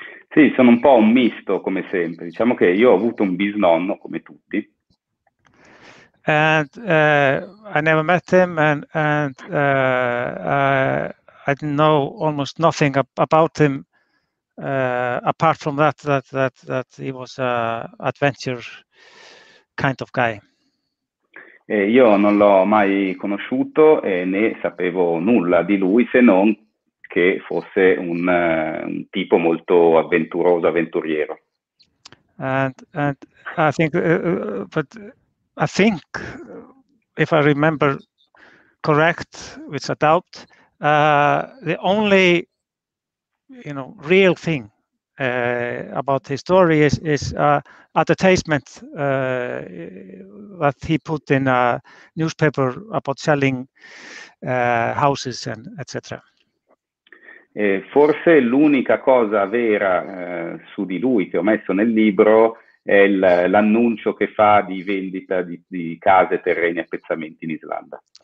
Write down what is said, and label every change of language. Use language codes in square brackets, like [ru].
[it] Sì, sono un po' un misto, come sempre. Diciamo che io ho avuto un bisnonno, come tutti. [en] And I never met him, and I didn't know almost nothing about him, apart from that he was an adventure kind of guy. [it] Io non l'ho mai conosciuto e né sapevo nulla di lui, se non che fosse un tipo molto avventuroso, avventuriero. [en] And I think, but I think, if I remember correct, which I doubt, the only, you know, real thing about his story is advertisement that he put in a newspaper about selling houses and etc. [it] Forse l'unica cosa vera su di lui che ho messo nel libro è l'annuncio che fa di vendita di case, terreni e appezzamenti in Islanda.